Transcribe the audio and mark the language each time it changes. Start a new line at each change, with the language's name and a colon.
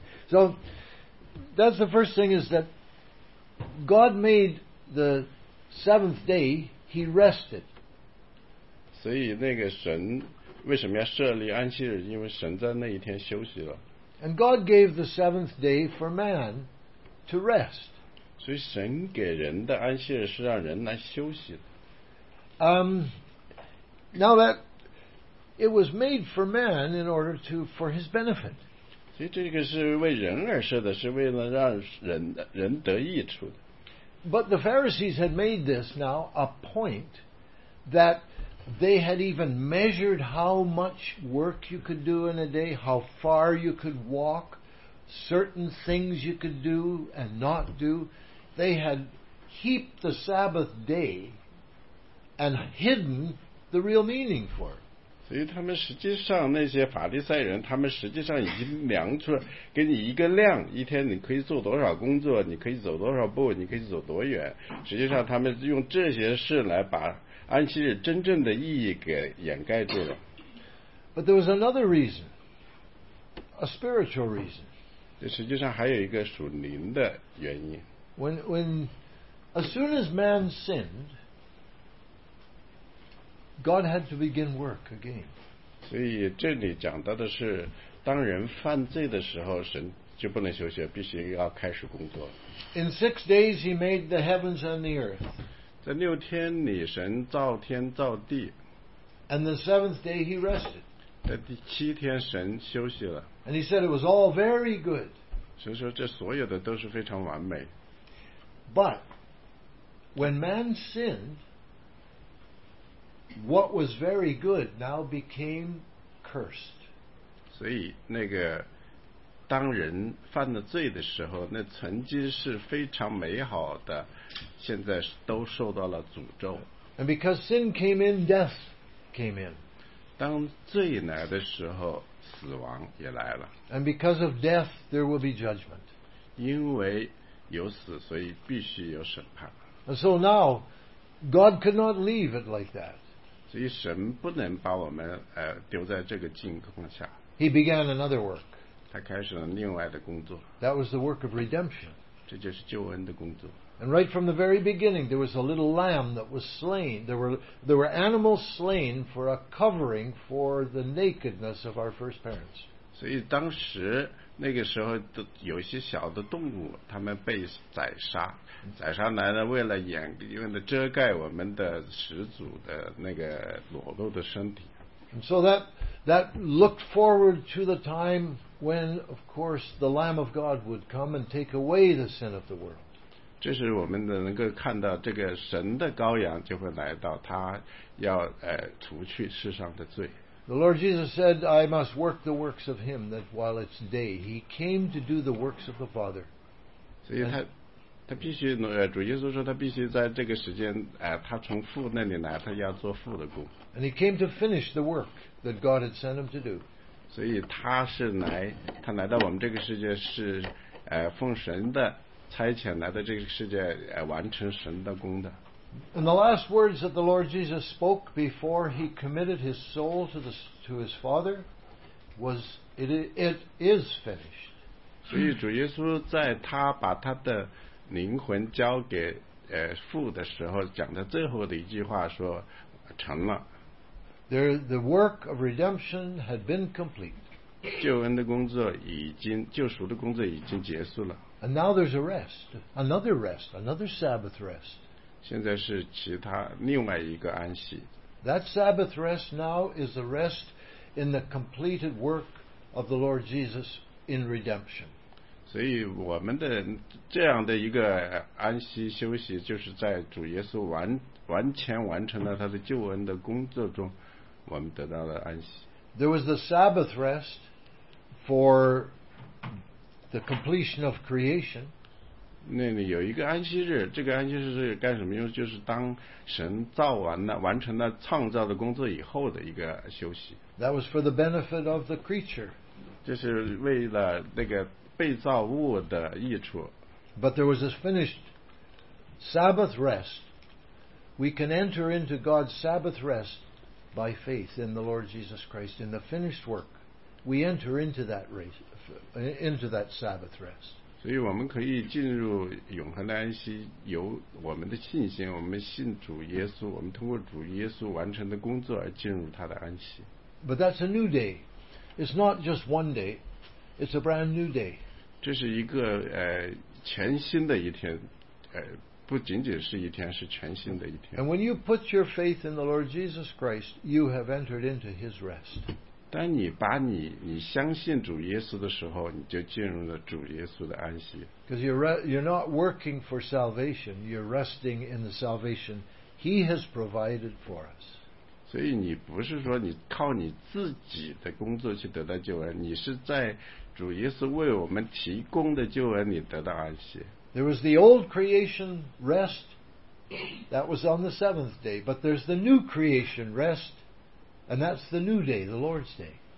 English: So that's the first thing is that God made the seventh day, He rested.
Chinese: 所以那个神为什么要设立安息日？因为神在那一天休息了。
English: And God gave the seventh day for man to rest.
Chinese: 所以神给人的安息日是让人来休息的。
English: Now that it was made for man in order to for his benefit.
Chinese: 所以这个是为人而设的，是为了让人得益处的。
English: But the Pharisees had made this now a point that they had even measured how much work you could do in a day, how far you could walk, certain things you could do and not do. They had heaped the Sabbath day and hidden the real meaning for it.
Chinese: 所以他们实际上那些法利赛人，他们实际上已经量出了给你一个量，一天你可以做多少工作，你可以走多少步，你可以走多远。实际上他们用这些事来把安息日真正的意义给掩盖住了。
English: But there was another reason, a spiritual reason.
Chinese: 这实际上还有一个属灵的原因。
English: When as soon as man sinned, God had to begin work again.
Chinese: 所以这里讲到的是，当人犯罪的时候，神就不能休息，必须要开始工作。
English: In 6 days, He made the heavens and the earth.
Chinese: 在六天里神造天造地。
English: And the seventh day he rested.
Chinese: 在第七天神休息了。
English: And he said it was all very good.
Chinese: 神说这所有的都是非常完美。
English: But when man sinned, what was very good now became cursed.
Chinese: 所以那个当人犯了罪的时候，那曾经是非常美好的，现在都受到了诅咒。
English: And because sin came in, death came in.
Chinese: 当罪来的时候，死亡也来了。
English: And because of death, there will be judgment.
Chinese: 因为有死，所以必须有审判。
English: And so now, God could not leave it like that.
Chinese: 所以神不能把我们丢在这个境况下。
English: He began another work.
Chinese: 他开始了另外的工作。
English: That was the work of redemption.
Chinese: 这就是救恩的工作。
English: And right from the very beginning, there was a little lamb that was slain. There were animals slain for a covering for the nakedness of our first parents.
Chinese: 所以当时那个时候的有些小的动物，他们被宰杀，宰杀来了为了掩，为了遮盖我们的始祖的那个裸露的身体。
English: And so that looked forward to the time when, of course, the Lamb of God would come and take away the sin of the world.
Chinese: 这是我们的能够看到这个神的羔羊就会来到，他要除去世上的罪。
English: The Lord Jesus said, I must work the works of him that while it's day. He came to do the works of the Father.
Chinese: 所以他必须主耶稣说他必须在这个时间他从父那里来，他要做父的工。
English: And he came to finish the work that God had sent him to do.
Chinese: 所以他来到我们这个世界是奉神的差遣来到这个世界完成神的工的。
English: And the last words that the Lord Jesus spoke before he committed his soul to his Father was, it is finished.
Chinese: 所以主耶稣在他把他的灵魂交给父的时候讲的最后的一句话说成了。
English: There, the work of redemption had been complete.
Chinese: 救恩的工作已经，救赎的工作已经结束了。
English: And now there's a rest, another rest, another Sabbath rest.
Chinese: 现在是其他另外一个安息。
English: That Sabbath rest now is the rest in the completed work of the Lord Jesus in redemption.
Chinese: 所以我们的这样的一个安息休息，就是在主耶稣完全完成了他的救恩的工作中，我们得到了安息。
English: There was the Sabbath rest for the completion of creation.
Chinese: 那里有一个安息日，这个安息日是干什么用？就是当神造完了、完成了创造的工作以后的一个休息。
English: That was for the benefit of the creature.
Chinese: 就是为了那个被造物的益处。
English: But there was a finished Sabbath rest. We can enter into God's Sabbath rest by faith in the Lord Jesus Christ in the finished work. We enter into that Sabbath rest.
Chinese: 所以我们可以进入永恒的安息，由我们的信心，我们信主耶稣，我们通过主耶稣完成的工作而进入他的安息。
English: But that's a new day. It's not just one day. It's a brand new day.
Chinese: 这是一个全新的一天，不仅仅是一天，是全新的一天。
English: And when you put your faith in the Lord Jesus Christ, you have entered into His rest.
Chinese: 当你把你相信主耶稣的时候，你就进入了主耶稣的安息。
English: Because you're not working for salvation, you're resting in the salvation He has provided for us.
Chinese: 所以你不是说你靠你自己的工作去得到救恩，你是在主耶稣为我们提供的救恩里得到安息。
English: There was the old creation rest that was on the seventh day, but there's the new creation rest. And that's the new day, the Lord's day.